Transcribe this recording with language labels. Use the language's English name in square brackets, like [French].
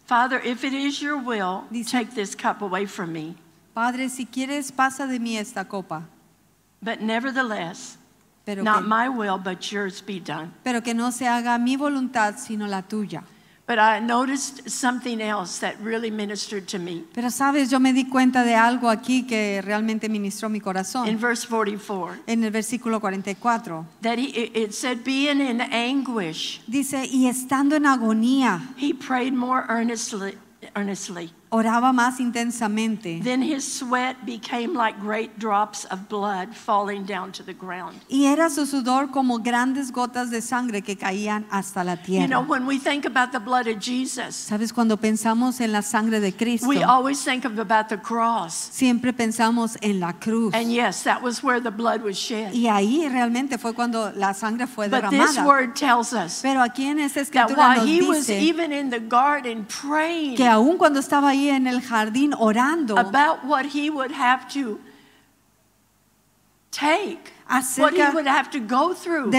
[English] Father, if it is your will, dice, take this cup away from me. [Spanish] Padre, si quieres, pasa de mí esta copa. [English] But nevertheless, [Spanish] pero [English] not [Spanish] que, [English] my will, but yours be done. [Spanish] Pero que no se haga mi voluntad, sino la tuya. [English] But I noticed something else that really ministered to me. [Spanish] Pero sabes, yo me di cuenta de algo aquí que realmente ministró mi corazón. [English] In verse 44. [Spanish] En el versículo 44. [English] That he, it said, being in anguish. [Spanish] Dice, y estando en agonía. [English] He prayed more earnestly. [Spanish] Oraba más intensamente. [English] Then his sweat became like great drops of blood falling down to the ground. [Spanish] Y era su sudor como grandes gotas de sangre que caían hasta la tierra. [English] You know, when we think about the blood of Jesus, [Spanish] sabes, cuando pensamos en la sangre de Cristo, [English] we always think of about the cross. [Spanish] Siempre pensamos en la cruz. [English] And yes, that was where the blood was shed. [Spanish] Y ahí realmente fue cuando la sangre fue [English] but [Spanish] derramada. [English] This word tells us, [Spanish] pero aquí en esta escritura nos dice, [English] he was even in the garden praying, [Spanish] que aún cuando estaba ahí en el jardín orando, [English] about what he would have to take, what he would have to go through,